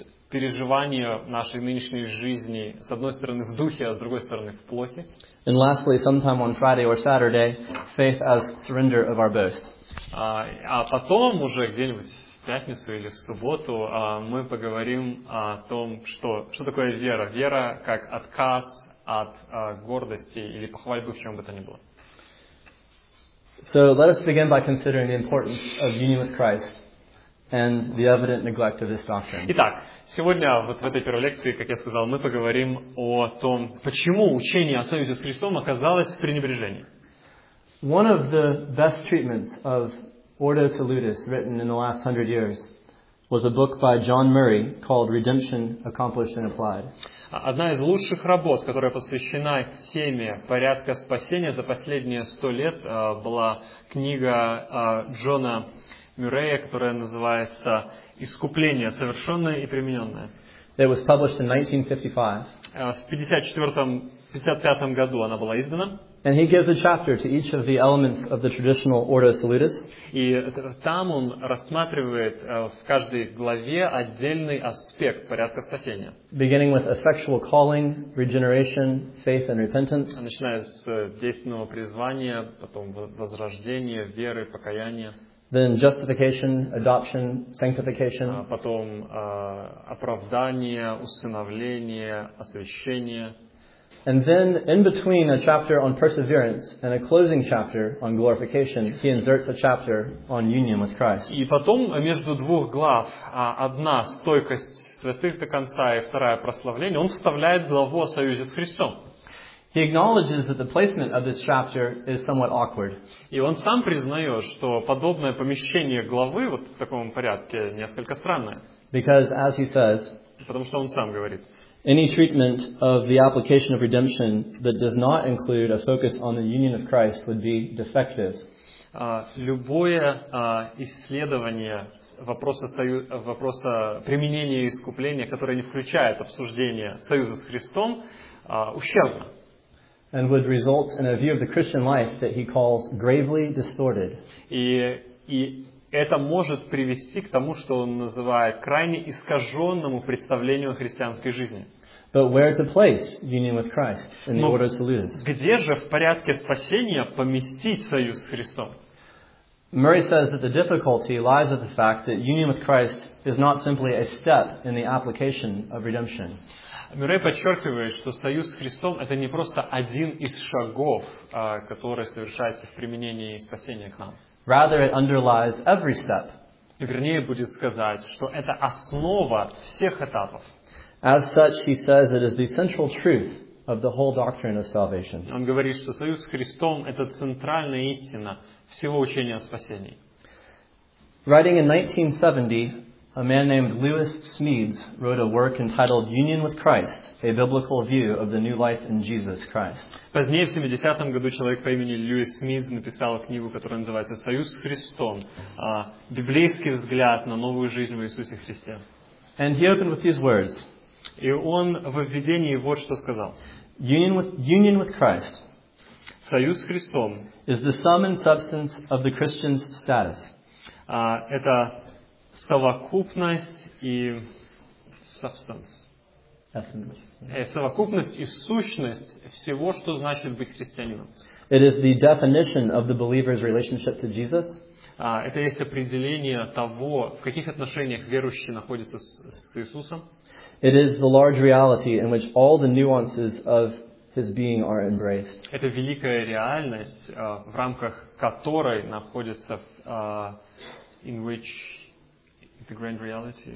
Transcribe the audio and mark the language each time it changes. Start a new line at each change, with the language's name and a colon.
Russian: Переживание нашей нынешней жизни с одной стороны в духе, а с другой стороны в плоти.
English: And lastly, sometime on Friday or Saturday, faith as surrender of our boast.
Russian: А потом уже где-нибудь в пятницу или в субботу мы поговорим о том, что такое вера. Вера как отказ от гордости или похвальбы в чем бы то ни было.
English: So let us begin by considering the importance of union with Christ and the evident neglect of this doctrine.
Russian: Итак, сегодня вот в этой первой лекции, как я сказал, мы поговорим о том, почему учение о союзе с Христом оказалось в пренебрежении.
English: One of the best treatments of Ordo Salutis written in the last 100 years was a book by John Murray called Redemption Accomplished and Applied.
Russian: Одна из лучших работ, которая посвящена теме порядка спасения за последние 100 лет, была книга Джона Мюррея, которая называется «Искупление, совершенное и примененное».
English: It was published in 1955.
Russian: В 1955 году она была издана.
English: And he gives a chapter to each of the elements of the traditional Ordo Salutis.
Russian: И там он рассматривает в каждой главе отдельный аспект порядка спасения.
English: Beginning with effectual calling, regeneration, faith and repentance.
Russian: Начиная с действенного призвания, потом возрождение, веры, покаяние.
English: Then justification, adoption, sanctification.
Russian: Потом оправдание, усыновление, освящение.
English: And then, in between a chapter on perseverance and a closing chapter on glorification, he inserts a chapter on union with Christ.
Russian: И потом между двух глав, одна стойкость святых до конца и вторая прославление, он вставляет главу о союзе с Христом.
English: He acknowledges that the placement of this chapter is somewhat awkward.
Russian: И он сам признает, что подобное помещение главы вот в таком порядке несколько странное.
English: Because, as he says,
Russian: потому что он сам говорит.
English: Any treatment of the application of redemption that does not include a focus on the union of Christ would be defective.
Russian: Любое исследование вопроса применения искупления, которое не включает обсуждение союза с Христом, ущербно.
English: And would result in a view of the Christian life that he calls gravely distorted.
Russian: И это может привести к тому, что он называет крайне искаженному представлению о христианской жизни.
English: But where to place union with Christ in the order to lose?
Russian: Где же в порядке спасения поместить союз с Христом?
English: Murray says that the difficulty lies with the fact that union with Christ is not simply a step in the application of redemption.
Russian: Мюррей подчеркивает, что союз с Христом это не просто один из шагов, который совершается в применении спасения к нам.
English: Rather, it underlies every step.
Russian: Вернее, будет сказать, что это основа всех этапов.
English: As such, he says, it is the central truth of the whole doctrine of salvation.
Russian: Он говорит, что союз с Христом – это центральная истина всего учения о спасении.
English: Writing in 1970, a man named Lewis Smedes wrote a work entitled Union with Christ, a Biblical View of the New Life in Jesus Christ.
Russian: Позднее, в 70-м году, человек по имени Льюис Смидс написал книгу, которая называется «Союз с Христом. Библейский взгляд на новую жизнь в Иисусе Христе».
English: And he opened with these words.
Russian: И он в введении вот что сказал.
English: Union with Christ.
Russian: Союз с Христом.
English: Is the sum and substance of the Christian's status.
Russian: Это совокупность и substance.
English: Essence.
Russian: Совокупность и сущность всего, что значит быть христианином.
English: It is the definition of the believer's relationship to Jesus.
Russian: Это есть определение того, в каких отношениях верующий находится с Иисусом.
English: It is the large reality in which all the nuances of his being are embraced.
Russian: Это великая реальность, в рамках которой находится
English: in which the grand reality.